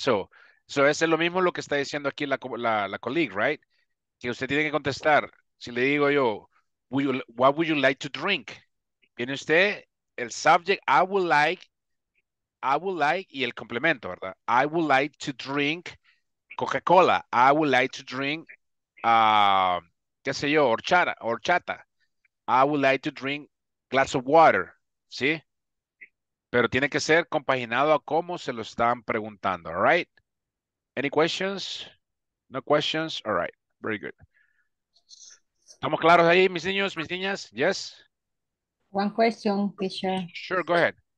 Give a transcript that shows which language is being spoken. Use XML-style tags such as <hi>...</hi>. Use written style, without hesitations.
<es>So es lo mismo lo que está diciendo aquí la colleague, right? Que usted tiene que contestar. Si le digo yo,</es> <en>what would you like to drink?</en> <es>Viene usted, el subject,</es> <en>I would like,</en> <es>y el complemento, ¿verdad?</es> <en>I would like to drink Coca-Cola. I would like to drink,</en> <es>qué sé yo,</es> <en>horchata. I would like to drink glass of water.</en> <es>¿Sí? Pero tiene que ser compaginado a cómo se lo están preguntando.</es> <en>All right. Any questions? No questions? All right. Very good.</en> <es>¿Estamos claros ahí, mis niños, mis niñas? Yes?</es> <en>One question, teacher. Sure, go ahead.</en>